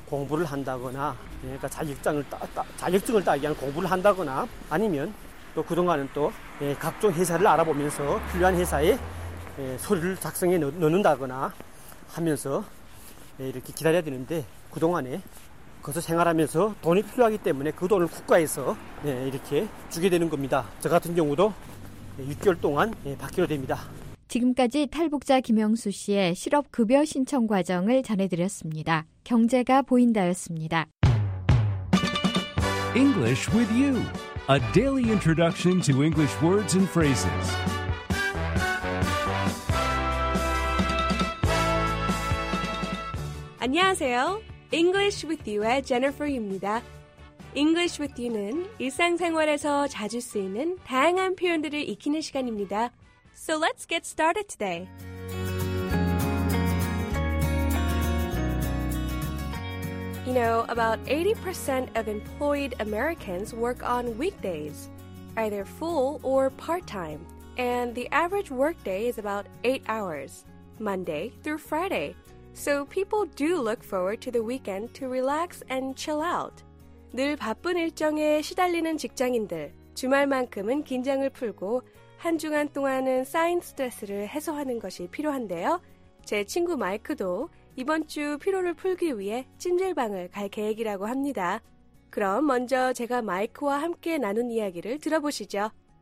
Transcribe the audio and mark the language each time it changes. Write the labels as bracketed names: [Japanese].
[Korean] 공부를 한다거나 그러니까 자격증을 따기 위한 공부를 한다거나 아니면 또 그동안은 또 각종 회사를 알아보면서 필요한 회사에 서류를 작성해 넣는다거나 하면서 이렇게 기다려야 되는데 그동안에 거기서 생활하면서 돈이 필요하기 때문에 그 돈을 국가에서 이렇게 주게 되는 겁니다. 저 같은 경우도 6개월 동안 받기로 됩니다. 지금까지 탈북자 김영수 씨의 실업급여 신청 과정을 전해드렸습니다. 경제가 보인다였습니다. [English] English with you. A daily introduction to English words and phrases. [Korean] 안녕하세요. English with you의 제니퍼입니다. English with you는 일상생활에서 자주 쓰이는 다양한 표현들을 익히는 시간입니다. [English] So let's get started today. 80% of employed Americans work on weekdays, either full or part-time, and the average workday is about 8 hours, Monday through Friday. So people do look forward to the weekend to relax and chill out. [Korean] 늘 바쁜 일정에 시달리는 직장인들, 주말만큼은 긴장을 풀고 한 주간 동안은 쌓인 스트레스를 해소하는 것이 필요한데요. 제 친구 마이크도 이번 주 피로를 풀기 위해 찜질방을 갈 계획이라고 합니다. 그럼 먼저 제가 마이크와 함께 나눈 이야기를 들어보시죠.